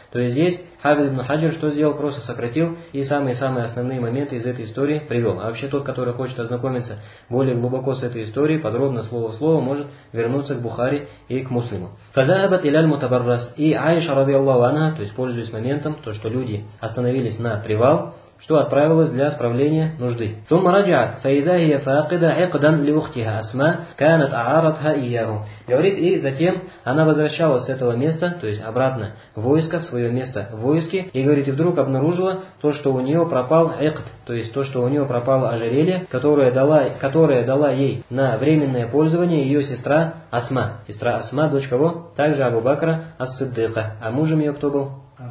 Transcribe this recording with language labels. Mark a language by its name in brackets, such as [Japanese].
[Russian] То есть здесь Хафиз ибн Хаджар что сделал? Просто сократил и самые-самые основные моменты из этой истории привел. А вообще тот, который хочет ознакомиться более глубоко с этой историей, подробно, слово в слово, может вернуться к Бухари и к Муслиму. [Arabic] Фазахабат иляль мутабаррас. [Russian] И Аиша, радиаллаху анха, то есть пользуясь моментом, то, что люди остановились на привал, что отправилось для справления нужды. [Arabic] ثم رجعت فإذا هي فاقدة عقدا لأختها أسماء كانت أعارتها إياه. [Russian] Говорит, и затем она возвращалась с этого места, то есть обратно в войско, в свое место в войске, и говорит, и вдруг обнаружила то, что у нее пропал عقد, то есть то, что у нее пропало ожерелье, которое дала ей на временное пользование ее сестра Асма. Сестра Асма, дочь кого? Также Абу Бакра Ас-Сиддика. А мужем ее кто был?